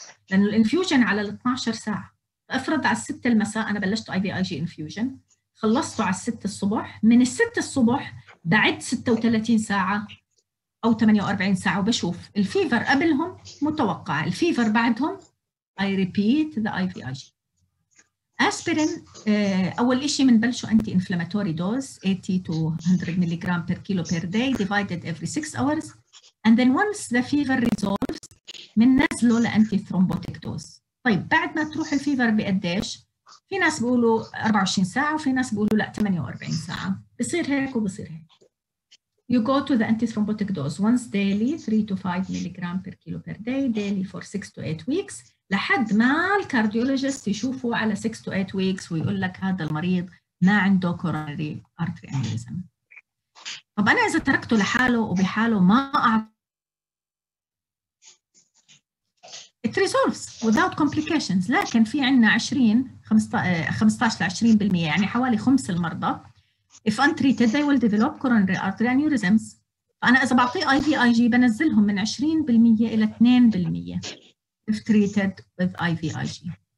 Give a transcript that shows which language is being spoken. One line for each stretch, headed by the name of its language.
Arabic: لانه الانفيوجن على ال 12 ساعه افرض على 6 المساء انا بلشت اي في اي جي انفيوجن خلصته على 6 الصبح من ال 6 الصبح بعد 36 ساعه او 48 ساعه وبشوف الفيفر قبلهم متوقع الفيفر بعدهم
English: I repeat the I V I G
Arabic: Aspirin, أول إشي من بلشو
English: anti-inflammatory dose, 80 to 100 milligram per kilo per day, divided every 6 hours. And then once the fever resolves,
Arabic: من نزلو
English: anti-thrombotic dose.
Arabic: طيب, بعد ما تروح الفيفر بقديش, في ناس بقولوا 24 ساعة, وفي ناس بقولوا لا 48 ساعة. بصير هيك وبصير هيك.
English: You go to the anti-thrombotic dose once daily, 3 to 5 milligram per kilo per day, daily for 6 to 8 weeks.
Arabic: لحد ما الكارديولوجيست يشوفه على 6 to 8 weeks ويقول لك هذا المريض ما عنده coronary artery aneurysm. طب أنا إذا تركته لحاله وبحاله ما أعطي
English: it resolves without complications
Arabic: لكن في عندنا 15-20% يعني حوالي 5 المرضى
English: if untreated they will develop coronary artery aneurysms
Arabic: فأنا إذا بعطيه IVIG بنزلهم من 20% إلى 2%
English: if treated with IVIG.